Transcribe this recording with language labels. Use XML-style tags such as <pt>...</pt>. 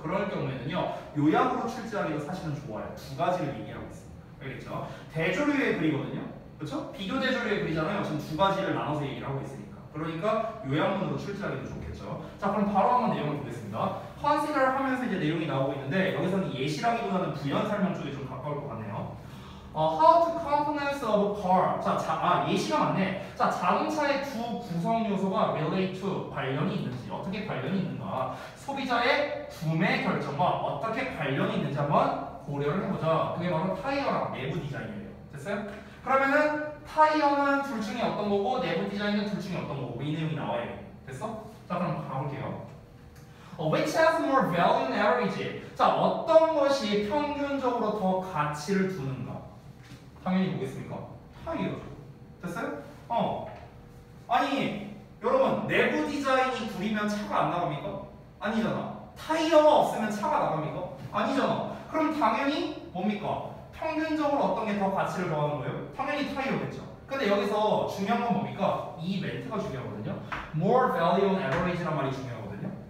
<ko>그럴 경우에는요, 요약으로 출제하기가 사실은 좋아요. 두 가지를 얘기하고 있습니다. 알겠죠? 대조류의 글이거든요. 그렇죠? 비교 대조류의 글이잖아요. 지금 두 가지를 나눠서 얘기를 하고 있습니다. 그러니까 요약문으로 출제하기도 좋겠죠. 자, 그럼 바로 한번 내용을 보겠습니다. 컨시더 하면서 이제 내용이 나오고 있는데 여기서는 예시라기보다는 부연 설명 쪽이 좀 가까울 것 같네요.</ko> <en>How to components of a car.</en> <ko>예시가 맞네. 자, 자동차의 두 구성 요소가</ko> <en>relate to</en> <ko>관련이 있는지, 어떻게 관련이 있는가, 소비자의 구매 결정과 어떻게 관련이 있는지 한번 고려를 해보자. 그게 바로 타이어랑 내부 디자인이에요. 됐어요? 그러면은 타이어는 둘 중에 어떤 거고 내부 디자인은 둘 중에 어떤 거고 이 내용이 나와요. 됐어? 자, 그럼 가볼게요.</ko> <en>Which has more value on average?</en> <ko>자, 어떤 것이 평균적으로 더 가치를 두는가? 당연히 보겠습니까? 타이어죠. 됐어요? 아니, 여러분, 내부 디자인이 구리면 차가 안 나갑니까? 아니잖아. 타이어가 없으면 차가 나갑니까? 아니잖아. 그럼 당연히 뭡니까? 평균적으로 어떤 게 더 가치를 더하는 거예요? 당연히 타이어겠죠. 근데 여기서 중요한 건 뭡니까? 이 멘트가 중요하거든요.</ko> <en>More value on average</en> <ko>란 말이 중요하거든요.</ko>